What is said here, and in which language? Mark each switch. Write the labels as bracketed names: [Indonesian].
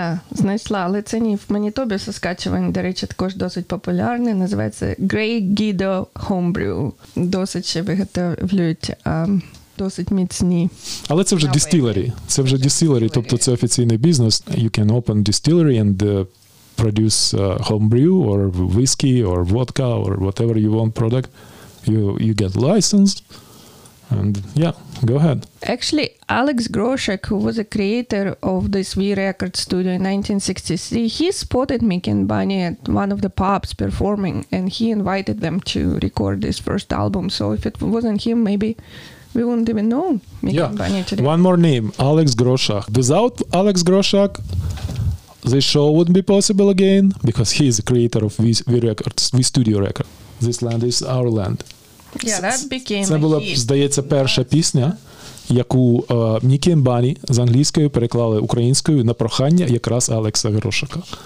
[Ukrainian] Знайшла, але це не в Манітобі, Саскачевані, до речі, також досить популярне, називається Grey Guido Homebrew. Досить ще виготовлюють, досить міцні. Але це вже дистилері, тобто це офіційний бізнес. [English] You can open distillery and produce homebrew or whiskey or vodka or whatever you want product. You get licensed. And yeah, go ahead. Actually, Alex Groshek, who was a creator of this V Record Studio in 1963, he spotted Mickey and Bunny at one of the pubs performing, and he invited them to record this first album. So if it wasn't him, maybe we wouldn't even know Mika Banja today. One more name, Alex Groschach. Without Alex Groschach, this show wouldn't be possible again, because he is the creator of V Studio Record. This land is our land. Yeah, that became [Ukrainian] Це була, здається, перша пісня, яку Мікі і Бані з англійською переклали українською на прохання якраз Алекса Грошака.